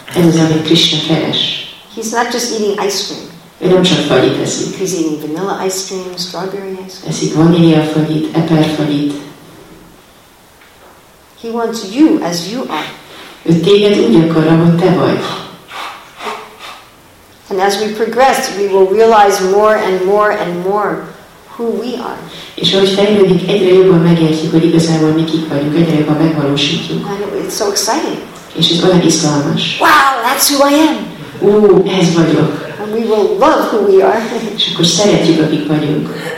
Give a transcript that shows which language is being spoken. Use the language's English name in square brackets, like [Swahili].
[Hungarian] Ez az, amit Krishna keres. [English] He's not just eating ice cream. [Hungarian] Ő nem csak fagyit eszik. [English] He's eating vanilla ice cream, strawberry ice cream. [Hungarian] Eszik vanília fagyit, eper fagyit. [English] He wants you as you are. [Hungarian] Ő téged úgy akar, ahogy te vagy. [English] And as we progress, we will realize more and more and more who we are. [Hungarian] És ahogy fejlődik, egyre jobban megértjük, hogy igazából mi kik vagyunk, egyre jobban megvalósítjuk. [English] It's so exciting. [Hungarian] És ez olyan izgalmas. [English] Wow, that's who I am. [Hungarian] Ó, ez vagyok. [English] And we will love who we are. [Hungarian] És akkor szeretjük, akik vagyunk.